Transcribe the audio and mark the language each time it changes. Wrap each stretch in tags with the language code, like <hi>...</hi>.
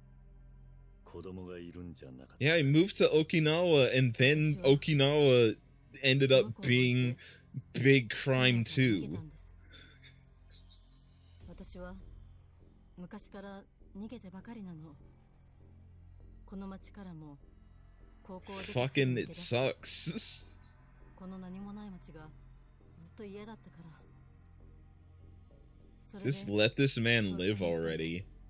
<ja>すまない。あの人と私はもう他人だから。だが、あんたらの間には子供がいるんじゃなかった。</ja> <en>Yeah, I moved to Okinawa, and then Okinawa ended up being big crime too.</en> <ja>私は昔から逃げてばかりなの。この町からも。</ja> <en>Fucking it sucks. Just let this man live already.</en>